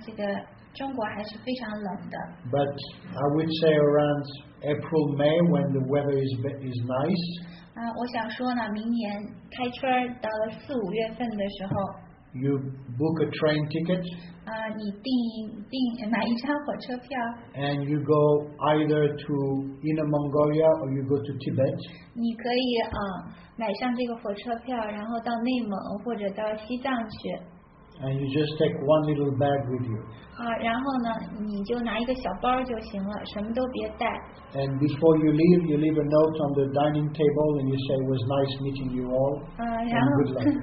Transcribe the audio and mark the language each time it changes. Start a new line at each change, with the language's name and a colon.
Chinese: 我想给你一个建议，你看现在是冬天，所以说呢，这个中国还是非常冷的。
English: But I would say around April, May, when the weather is nice.
Chinese: 我想说呢，明年开春到了四五月份的时候。
English: You book a train ticket.
Chinese: 你订买一张火车票。
English: And you go either to Inner Mongolia or you go to Tibet.
Chinese: 你可以买上这个火车票，然后到内蒙或者到西藏去。
English: And you just take one little bag with you.
Chinese: 然后呢，你就拿一个小包就行了，什么都别带。
English: And before you leave, you leave a note on the dining table and you say, it was nice meeting you all.